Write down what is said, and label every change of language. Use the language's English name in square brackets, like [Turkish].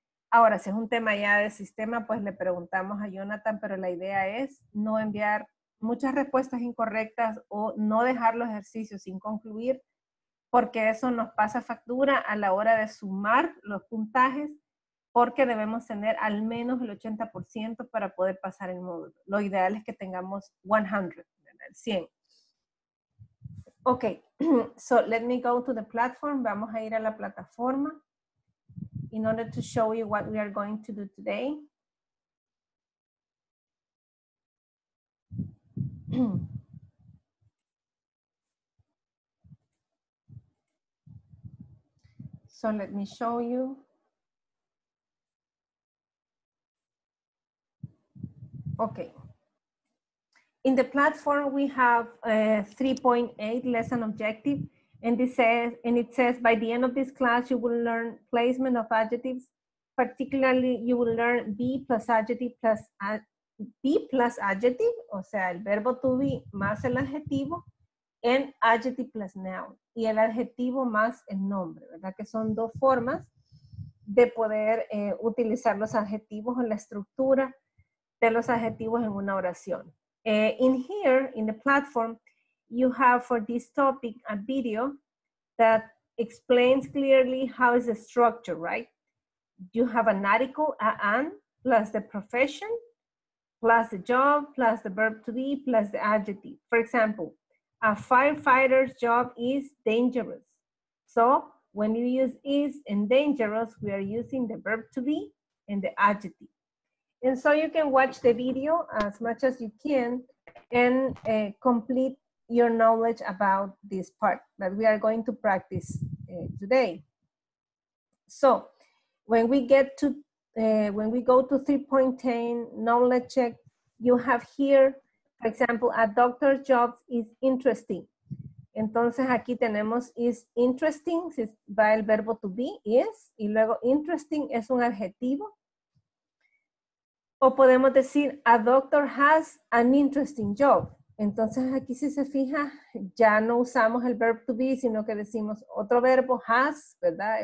[Spanish] Ahora, si es un tema ya de sistema, pues le preguntamos a Jonathan, pero la idea es no enviar muchas respuestas incorrectas o no dejar los ejercicios sin concluir, porque eso nos pasa factura a la hora de sumar los puntajes, porque debemos tener al menos el 80% para poder pasar el módulo. Lo ideal es que tengamos 100, el 100. [English] Ok, so let me go to the platform. [Spanish] Vamos a ir a la plataforma. [English] In order to show you what we are going to do today. So let me show you. Okay. In the platform, we have a 3.8 lesson objective, and it says by the end of this class, you will learn placement of adjectives. Particularly, you will learn be plus adjective plus be plus adjective, [Spanish] o sea, el verbo to be más el adjetivo, [English] and adjective plus noun, [Spanish] y el adjetivo más el nombre, ¿verdad? Que son dos formas de poder utilizar los adjetivos o la estructura de los adjetivos en una oración. [English] In here, in the platform, you have for this topic a video that explains clearly how is the structure, right? You have an article, an, plus the profession, plus the job, plus the verb to be, plus the adjective. For example, A firefighter's job is dangerous. So when you use is and dangerous, we are using the verb to be and the adjective. And so you can watch the video as much as you can and complete your knowledge about this part that we are going to practice today. So when we get to, when we go to 3.10 knowledge check, you have here, for example, a doctor's job is interesting. [Spanish] Entonces aquí tenemos is interesting, va el verbo to be, is, y luego interesting es un adjetivo. O podemos decir, [English] a doctor has an interesting job. [Spanish] Entonces aquí si se fija, ya no usamos el verb to be, sino que decimos otro verbo, has, ¿verdad?